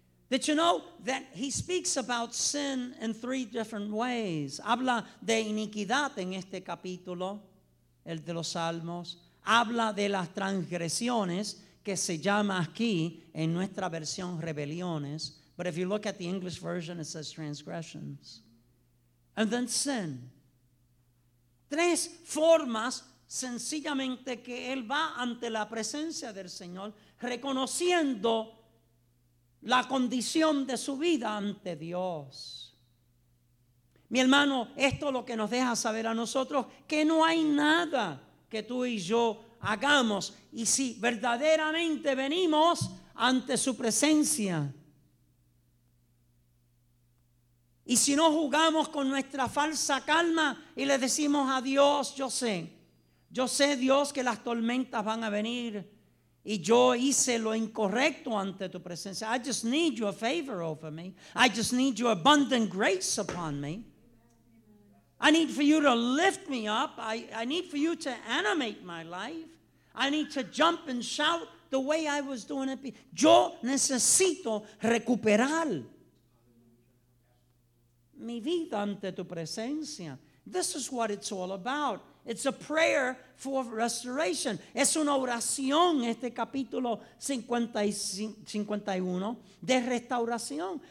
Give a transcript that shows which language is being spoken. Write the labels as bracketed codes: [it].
[en] Did you know that he speaks about sin in three different ways? [es] Habla de iniquidad en este capítulo, el de los Salmos. Habla de las transgresiones, que se llama aquí en nuestra versión rebeliones. [en] But if you look at the English version, it says transgressions. And then sin. [es] Tres formas sencillamente que él va ante la presencia del Señor reconociendo la condición de su vida ante Dios. Mi hermano, esto es lo que nos deja saber a nosotros, que no hay nada que tú y yo hagamos. Y si verdaderamente venimos ante su presencia. Y si no jugamos con nuestra falsa calma y le decimos a Dios, yo sé Dios que las tormentas van a venir y yo hice lo incorrecto ante tu presencia. [en] I just need your favor over me. I just need your abundant grace upon me. I need for you to lift me up. I need for you to animate my life. I need to jump and shout the way I was doing it. [es] Yo necesito recuperar mi vida ante tu presencia. [en] This is what it's all about. It's a prayer for restoration. [es] Es una oración, este capítulo 51, de restauración.